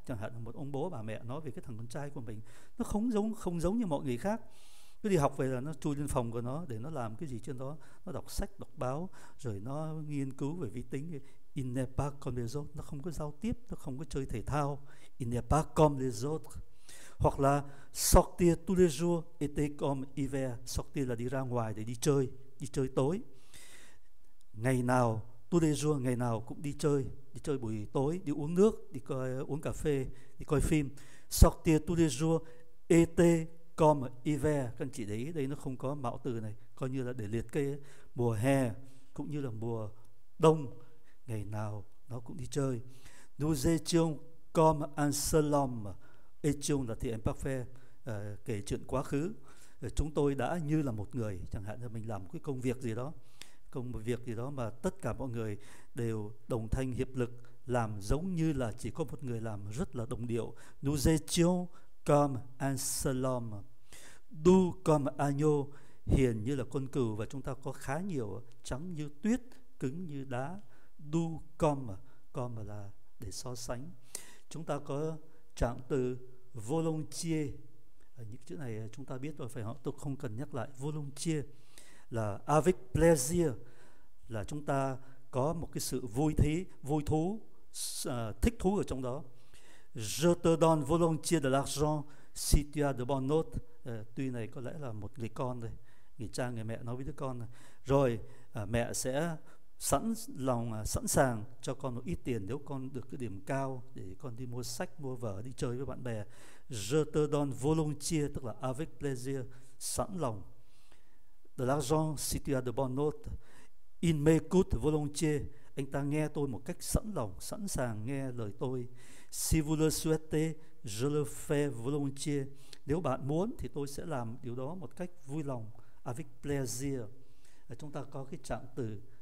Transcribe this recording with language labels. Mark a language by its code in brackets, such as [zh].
[vi] Chẳng hạn là một ông bố bà mẹ nói về cái thằng con trai của mình, nó không giống như mọi người khác. Cứ đi học về là nó chui lên phòng của nó để nó làm cái gì trên đó, nó đọc sách, đọc báo, rồi nó nghiên cứu về vi tính. [fr] Il n'est pas comme les autres, [vi] nó không có giao tiếp, nó không có chơi thể thao. [fr] Il n'est pas comme les autres. [vi] Hoặc là [fr] sortir tous les jours était comme hiver. [vi] Sortir là đi ra ngoài để đi chơi tối. Ngày nào [fr] tous les jours, [vi] ngày nào cũng đi chơi buổi tối, đi uống nước, đi coi uống cà phê, đi coi phim. [fr] Sortir tous les jours était comme hiver. [vi] Các anh chị để ý, đây nó không có mạo từ này, coi như là để liệt kê mùa hè cũng như là mùa đông. Ngày nào nó cũng đi chơi. [fr] Nous étions comme un seul homme. [vi] Étions là the imperfect, kể chuyện quá khứ. Chúng tôi đã như là một người. Chẳng hạn là mình làm một cái công việc gì đó, công một việc gì đó mà tất cả mọi người đều đồng thanh hiệp lực làm giống như là chỉ có một người làm, rất là đồng điệu. [fr] Nous étions comme un seul homme. Doux comme agneau, [vi] hiền như là con cừu, và chúng ta có khá nhiều trắng như tuyết, cứng như đá. Du com, com là để so sánh. Chúng ta có trạng từ volontier. Những chữ này chúng ta biết rồi phải không? Tôi không cần nhắc lại. Volontier là [fr] avec plaisir, [vi] là chúng ta có một cái sự vui thí, vui thú, thích thú ở trong đó. [fr] Je te donne volontiers de l'argent si tu as de bonnes notes. [vi] Tuy này có lẽ là một người con đây, người cha người mẹ nói với đứa con này. Rồi mẹ sẽ sẵn sàng cho con một ít tiền nếu con được cái điểm cao để con đi mua sách, mua vở, đi chơi với bạn bè. [fr] Je te donne volontiers, [vi] tức là [fr] avec plaisir, [vi] sẵn lòng. [fr] De l'argent si tu as de bonnes notes. Il m'écoute volontiers, [vi] anh ta nghe tôi một cách sẵn lòng, sẵn sàng nghe lời tôi. [fr] Si vous le souhaitez, je le fais volontiers, [vi] nếu bạn muốn thì tôi sẽ làm điều đó một cách vui lòng, [fr] avec plaisir. [vi] Chúng ta có cái trạng từ